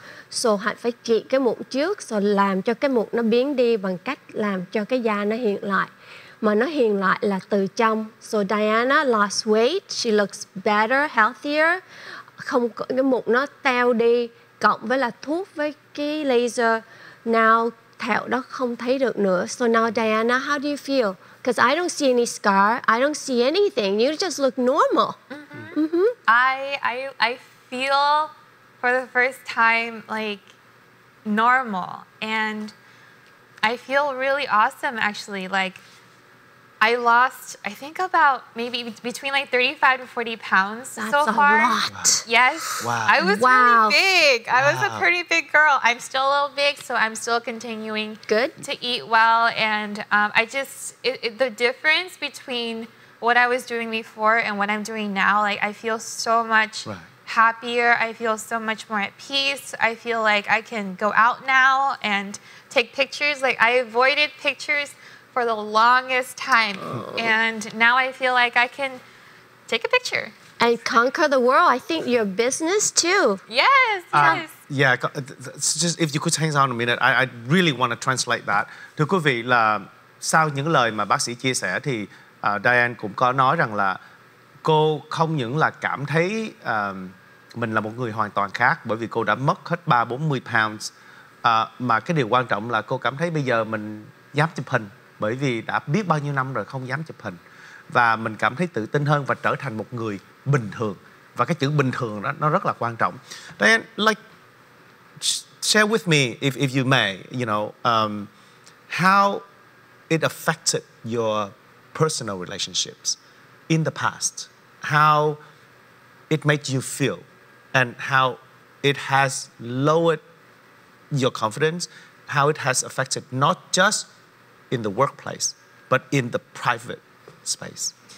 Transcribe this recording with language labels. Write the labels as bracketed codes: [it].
[vi] So Hạnh phải trị cái mụn trước, rồi so làm cho cái mụn nó biến đi bằng cách làm cho cái da nó hiền lại. Mà nó hiền lại là từ trong. [en] So Diana lost weight, she looks better, healthier, [vi] không có cái mụn nó teo đi, cộng với là thuốc với cái laser, now thẹo đó không thấy được nữa. [en] So now Diana, how do you feel? Because I don't see any scar, I don't see anything. You just look normal. I feel for the first time like normal, and I feel really awesome actually. Like I lost, I think about maybe between like 35 to 40 pounds. That's so far. A lot. Yes. Wow. I was really big. I was a pretty big girl. I'm still a little big, so I'm still continuing good to eat well. And I just the difference between what I was doing before and what I'm doing now, like I feel so much happier. I feel so much more at peace. I feel like I can go out now and take pictures. Like I avoided pictures for the longest time. And now I feel like I can take a picture. And conquer the world. I think your business too. Yes, yes. Yeah, just if you could hang on a minute, I really want to translate that. [vi] Thưa quý vị, là sau những lời mà bác sĩ chia sẻ thì Diane cũng có nói rằng là cô không những là cảm thấy mình là một người hoàn toàn khác bởi vì cô đã mất hết 30-40 pounds, mà cái điều quan trọng là cô cảm thấy bây giờ mình dám chụp hình bởi vì đã biết bao nhiêu năm rồi không dám chụp hình, và mình cảm thấy tự tin hơn và trở thành một người bình thường. Và cái chữ bình thường đó nó rất là quan trọng. [en] Then, like, share with me if you may, you know, how it affected your personal relationships in the past, how it made you feel, and how it has lowered your confidence, how it has affected not just in the workplace, but in the private space.